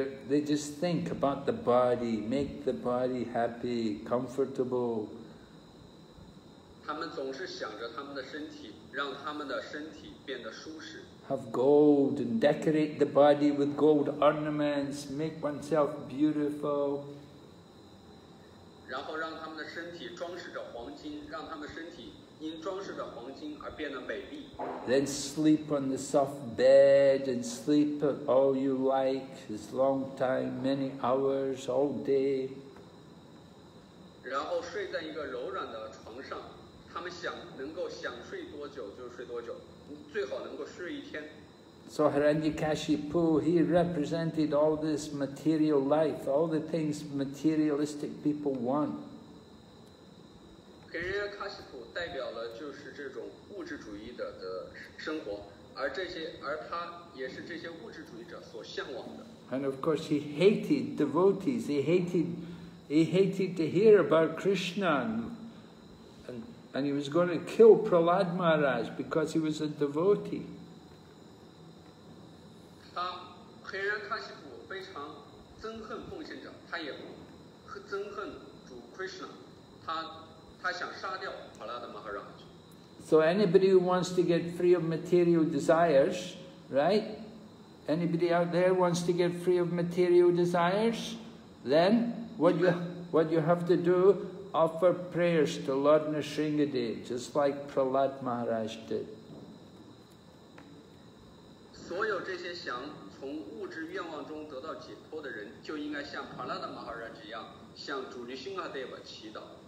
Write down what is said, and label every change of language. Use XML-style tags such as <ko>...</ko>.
<en>They just think about the body, make the body happy, comfortable.</en> <zh>他们总是想着他们的身体，让他们的身体变得舒适。</zh> <en>Have gold and decorate the body with gold ornaments, make oneself beautiful.</en> <zh>然后让他们的身体装饰着黄金，让他们身体因装饰着黄金而变得美丽。</zh> <en>Then sleep on the soft bed and sleep all you like, as long time, many hours, all day.</en> <zh>然后睡在一个柔软的床上，他们想能够想睡多久就睡多久，最好能够睡一天。</zh> <en>So Hiranyakashipu, he represented all this material life, all the things materialistic people want.</en> <zh>Hiranyakashipu代表了就是这种物质主义者的生活，而他也是这些物质主义者所向往的。</zh> <en>And of course, he hated devotees. He hated to hear about Krishna, and he was going to kill Prahlad Maharaj because he was a devotee.</en> <zh>Hiranyakashipu 非常憎恨奉献者，他也憎恨主 Krishna, 他想杀掉帕拉德马哈拉吉。</zh> <en>So anybody who wants to get free of material desires, right? Anybody out there wants to get free of material desires? Then what you have to do, offer prayers to Lord Nrisimhadev, just like Prahlad Maharaj did.</en> <zh>所有这些想从物质愿望中得到解脱的人，就应该像帕拉德马哈拉吉一样，向主尼辛哈德瓦祈祷。</zh>